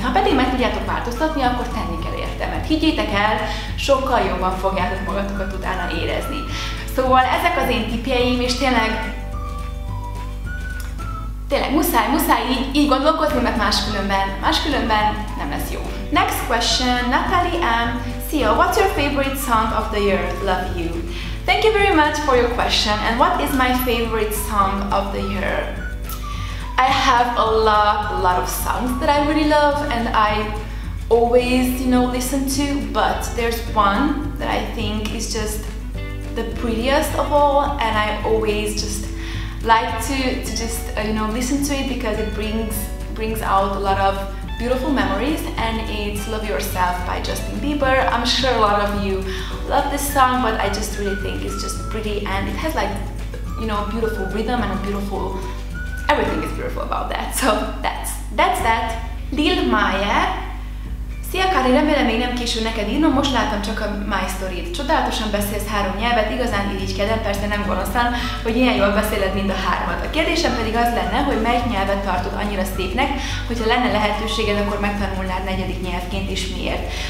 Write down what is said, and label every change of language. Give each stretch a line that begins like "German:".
Hungarian: Ha pedig meg tudjátok változtatni, akkor tenni kell érte, mert higgyétek el, sokkal jobban fogjátok magatokat utána érezni. Szóval ezek az én tippjeim, és tényleg tényleg muszáj, így gondolkodni, mert máskülönben nem lesz jó.
English: Next question, Natalie M. Szia, what's your favorite song of the year? Love you. Thank you very much for your question. And what is my favorite song of the year? I have a lot of songs that I really love and I always, you know, listen to, but there's one that I think is just the prettiest of all, and I always just like to just, you know, listen to it because it brings out a lot of beautiful memories, and it's Love Yourself by Justin Bieber. I'm sure a lot of you love this song, but I just really think it's just pretty and it has, like, you know, a beautiful rhythm and a beautiful, everything is beautiful about that. So that's that. Lil Maya.
Hungarian: Szia Kari, remélem még nem késő neked írnom, most láttam csak a My Story-t. Csodálatosan beszélsz három nyelvet, igazán irigykedem, persze nem gonoszan, hogy ilyen jól beszéled mind a hármat. A kérdésem pedig az lenne, hogy melyik nyelvet tartod annyira szépnek, hogyha lenne lehetőséged, akkor megtanulnád negyedik nyelvként is miért.